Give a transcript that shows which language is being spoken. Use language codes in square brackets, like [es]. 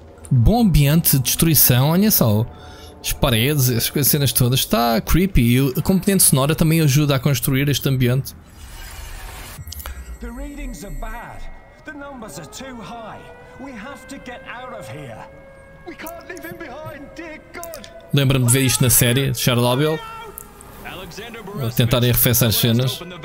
[pt] Bom ambiente de destruição, olha só. As paredes, essas cenas todas, está creepy. E a componente sonora também ajuda a construir este ambiente. [en] The readings are bad. The numbers are too high. We have to get out of here. We can't leave him behind, dear God. [pt] Lembra-me de ver isto na série de Chernobyl. Vou tentar arrefeçar as cenas.